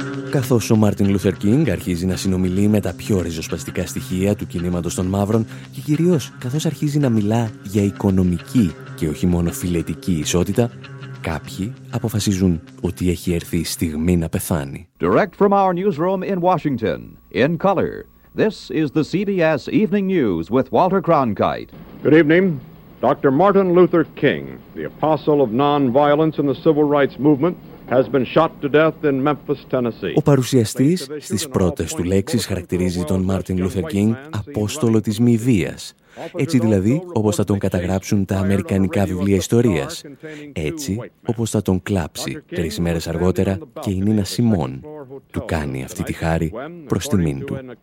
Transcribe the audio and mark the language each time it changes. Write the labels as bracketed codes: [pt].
[el] Καθώς ο Μάρτιν Λούθερ Κίνγκ αρχίζει να συνομιλεί με τα πιο ριζοσπαστικά στοιχεία του κινήματος των μαύρων και κυρίως καθώς αρχίζει να μιλά για οικονομική και όχι μόνο φυλετική ισότητα, κάποιοι αποφασίζουν ότι έχει έρθει η στιγμή να πεθάνει. [en] Direct from our newsroom in Washington, in color, this is the CBS Evening News with Walter Cronkite. Good evening. Dr. Martin Luther King, the apostle of non-violence in the civil rights movement, has been shot to death in Memphis, Tennessee. [el] Ο παρουσιαστής στις πρώτες του λέξεις χαρακτηρίζει τον Μάρτιν Λούθερ Κίνγκ «απόστολο της μη βίας». Έτσι δηλαδή όπως θα τον καταγράψουν τα αμερικανικά βιβλία ιστορίας. Έτσι όπως θα τον κλάψει τρεις ημέρες αργότερα και η Νίνα Σιμών του κάνει αυτή τη χάρη προς τιμήν του.